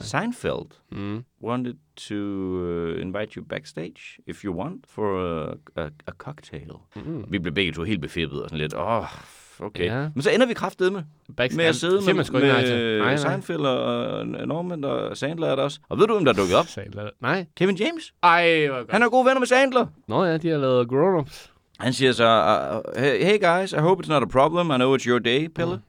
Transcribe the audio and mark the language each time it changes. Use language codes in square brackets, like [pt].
[en] Seinfeld wanted to invite you backstage, if you want, for a cocktail. Mm. [da] Vi blev begge to helt befippet og sådan lidt, okay. Ja. Men så ender vi kraftedeme med at sidde med Seinfeld og Norman og Sandler er der også. Og ved du, hvem der dukker op? Sandler. Nej. Kevin James. Ej, hvor godt. Han har gode venner med Sandler. Nå ja, de har lavet Grown Ups. Han siger så, [en] hey guys, I hope it's not a problem. I know it's your day, Pelle. Mm.